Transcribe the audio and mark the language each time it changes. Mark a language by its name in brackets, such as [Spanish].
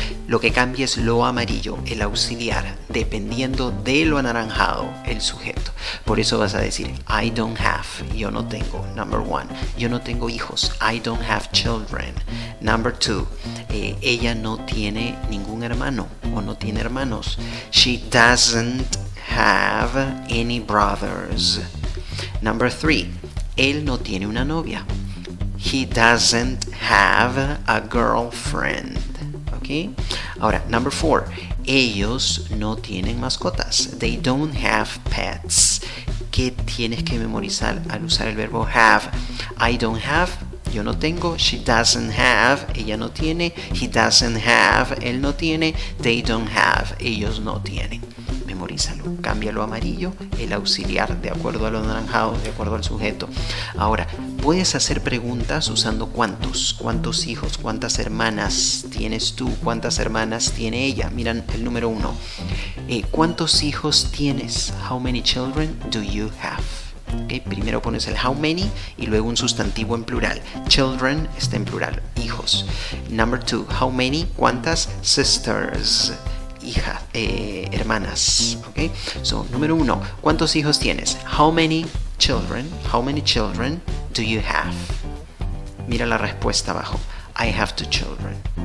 [Spanish] Lo que cambia es lo amarillo, el auxiliar, dependiendo de lo anaranjado, el sujeto. Por eso vas a decir, [English] I don't have, [Spanish] yo no tengo, [English] number one. [Spanish] Yo no tengo hijos, [English] I don't have children. Number two, [Spanish] ella no tiene ningún hermano o no tiene hermanos. [English] She doesn't have any brothers. Number three, [Spanish] él no tiene una novia. [English] He doesn't have a girlfriend. Okay. [Spanish] Ahora, [English] number four. [Spanish] Ellos no tienen mascotas. [English] They don't have pets. [Spanish] ¿Qué tienes que memorizar al usar el verbo have? [English] I don't have. [Spanish] Yo no tengo. [English] She doesn't have. [Spanish] Ella no tiene. [English] He doesn't have. [Spanish] Él no tiene. [English] They don't have. [Spanish] Ellos no tienen. Memorízalo. Cámbialo a amarillo, el auxiliar, de acuerdo a lo anaranjado, de acuerdo al sujeto. Ahora, puedes hacer preguntas usando cuántos. ¿Cuántos hijos? ¿Cuántas hermanas tienes tú? ¿Cuántas hermanas tiene ella? Miran el número uno. ¿Cuántos hijos tienes? [English] How many children do you have? [Spanish] Okay, primero pones el how many y luego un sustantivo en plural. Children está en plural, hijos. [English] Number two, how many? [Spanish] ¿Cuántas? Sisters. Hija, hermanas, ok, so, número uno, ¿cuántos hijos tienes? [English] How many children do you have? [Spanish] Mira la respuesta abajo, [English] I have two children.